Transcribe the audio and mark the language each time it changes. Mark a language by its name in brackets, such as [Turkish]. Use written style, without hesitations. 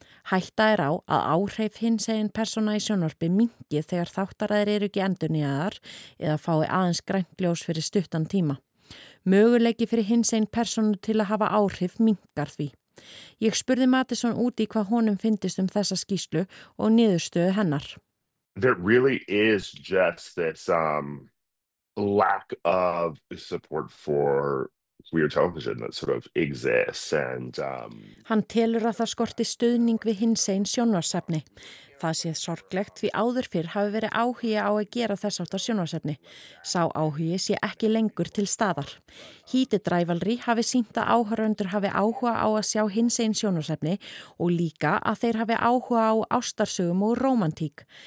[Icelandic] Hætta á að áhrif hinsegin persóna í sjónvarpi mingi þegar þáttaræðir eru ekki endurnýjaðar eða fái aðeins grænt ljós fyrir stuttan tíma. Möguleiki fyrir hinsegin persónu til að hafa áhrif mingar því. Ég spurði Matisson út í hvað honum fyndist þessa skýrslu og niðurstöðu hennar. [English] There really is just this lack of support for queer television that sort of exists and [Icelandic] Hann telur að það skorti stuðning við hinsegin sjónvarpsefni. Það sé sorglegt því áður fyrr hafi verið áhugi á að gera þess háttar sjónvarpsefni. Sá áhugi sé ekki lengur til staðar. Heated Rivalry hafi sýnt að áhorfendur hafi áhuga á að sjá hinsegin sjónvarpsefni og líka að þeir hafi áhuga á ástarsögum og rómantík.